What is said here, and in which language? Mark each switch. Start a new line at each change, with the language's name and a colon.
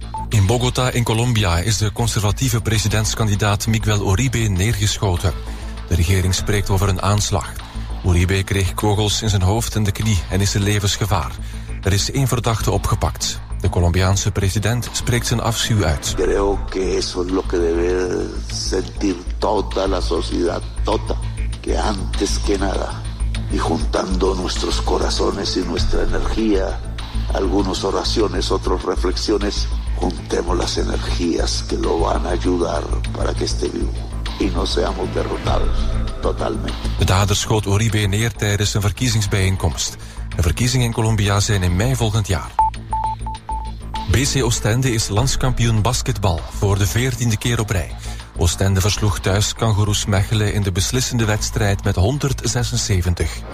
Dutch: In Bogota in Colombia is de conservatieve presidentskandidaat Miguel Uribe neergeschoten. De regering spreekt over een aanslag. Uribe kreeg kogels in zijn hoofd en de knie en is in levensgevaar. Er is één verdachte opgepakt. De Colombiaanse president spreekt zijn afschuw uit.
Spanish: Creo que eso es lo que debe sentir toda la sociedad, toda. Que antes que nada, y juntando nuestros corazones y nuestra energía, algunas oraciones, otras reflexiones, juntemos las energías que lo van a ayudar para que esté vivo. Y no seamos derrotados totalmente.
Dutch: De dader schoot Uribe neer tijdens een verkiezingsbijeenkomst. De verkiezingen in Colombia zijn in mei volgend jaar. BC Oostende is landskampioen basketbal voor de 14e keer op rij. Oostende versloeg thuis Kangoeroes Mechelen in de beslissende wedstrijd met 176.